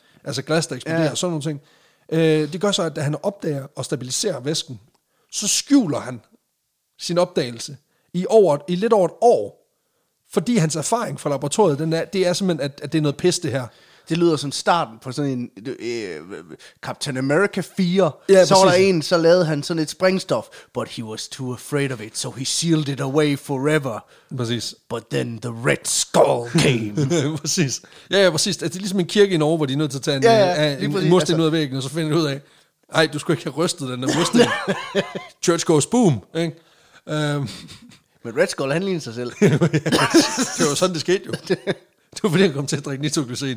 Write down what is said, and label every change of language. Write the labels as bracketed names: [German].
[Danish] Altså glas, der eksploderer, sådan nogle ting. Det gør så, at da han opdager og stabiliserer væsken, så skjuler han sin opdagelse i lidt over et år, fordi hans erfaring fra laboratoriet, det er simpelthen, at det er noget pis, det her. Det lyder som starten på sådan en Captain America 4. Ja, så var der en, så lavede han sådan et springstof. [English] But he was too afraid of it, so he sealed it away forever. [Danish] Præcis. [English] But then the Red Skull came. [Danish] Præcis. Ja, præcis. Det er ligesom en kirke i Norge, hvor de er nødt til at tage en mursten ud af væggen, og så finder de ud af, ej, du skulle ikke have rystet den der mursten. [English] Church goes boom. [Danish] Men Red Skull, han ligner sig selv. Det var sådan, det skete jo. Det var fordi, han kom til at drikke nitroglycerin.